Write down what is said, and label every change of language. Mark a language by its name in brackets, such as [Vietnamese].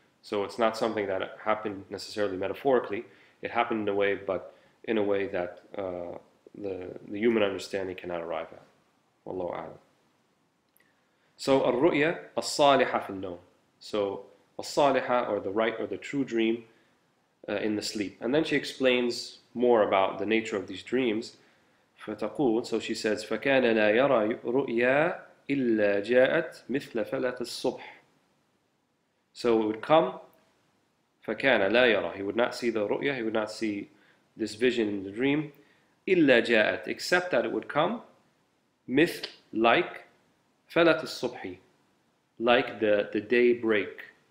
[English] So it's not something that happened necessarily metaphorically. It happened in a way, but in a way that the human understanding cannot arrive at. Wallahu a'lam. So al-ru'ya as-saliha fil nawm. So as-saliha, or the right or the true dream, in the sleep. And then she explains more about the nature of these dreams. [Arabic] فتقول, [English] so she says, [Arabic] فَكَانَ لَا يَرَى رُؤْيَا إِلَّا جَاءَتْ مِثْلَ فَلَةِ الصُّبْحِ. [English] So it would come, [Arabic] فَكَانَ لَا يَرَى, [English] he would not see the رُؤْيَا, he would not see this vision in the dream, [Arabic] إِلَّا جَاءَتْ, [English] except that it would come, مِثْل, like, [Arabic] فَلَةِ الصُّبْحِ, [English] like the daybreak.